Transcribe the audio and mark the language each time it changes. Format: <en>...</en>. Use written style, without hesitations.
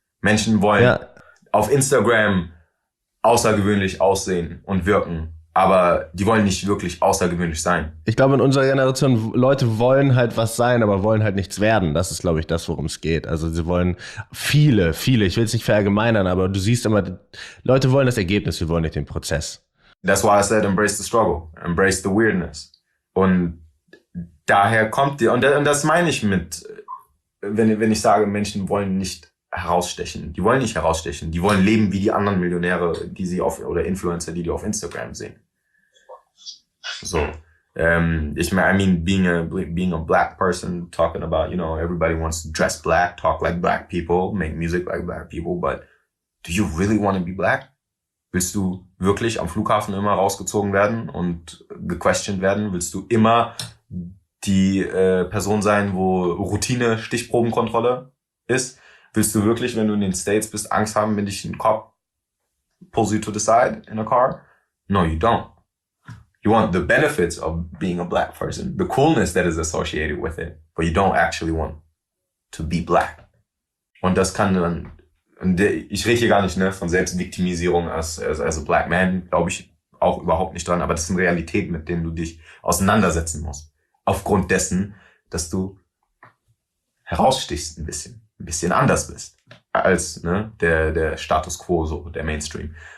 <de>Menschen wollen auf Instagram außergewöhnlich aussehen und wirken. Aber die wollen nicht wirklich außergewöhnlich sein. Ich glaube, in unserer Generation, Leute wollen halt was sein, aber wollen halt nichts werden. Das ist, glaube ich, das, worum es geht. Also sie wollen viele, ich will es nicht verallgemeinern, aber du siehst immer, Leute wollen das Ergebnis, wir wollen nicht den Prozess.</de> <en>That's why I said embrace the struggle, embrace the weirdness.</en> <de>Und daher kommt die, und das meine ich mit, wenn ich sage, Menschen wollen nicht herausstechen. Die wollen nicht herausstechen. Die wollen leben wie die anderen Millionäre, die sie auf oder Influencer, die auf Instagram sehen. So.</de> <en>Ich meine, being a black person, talking about, you know, everybody wants to dress black, talk like black people, make music like black people, but do you really want to be black?</en> <de>Willst du wirklich am Flughafen immer rausgezogen werden und gequestioned werden? Willst du immer die Person sein, wo Routine Stichprobenkontrolle ist? Willst du wirklich, wenn du in den States bist, Angst haben, wenn dich ein Cop pulls you to the side in a car?</de> <en>No, you don't. You want the benefits of being a black person, the coolness that is associated with it, but you don't actually want to be black.</en> <de>Und das kann dann, und ich rede hier gar nicht, ne, von Selbstviktimisierung als a black man, glaube ich auch überhaupt nicht dran, aber das sind Realitäten, mit denen du dich auseinandersetzen musst. Aufgrund dessen, dass du herausstichst ein bisschen anders bist als, ne, der Status quo, so der Mainstream.</de>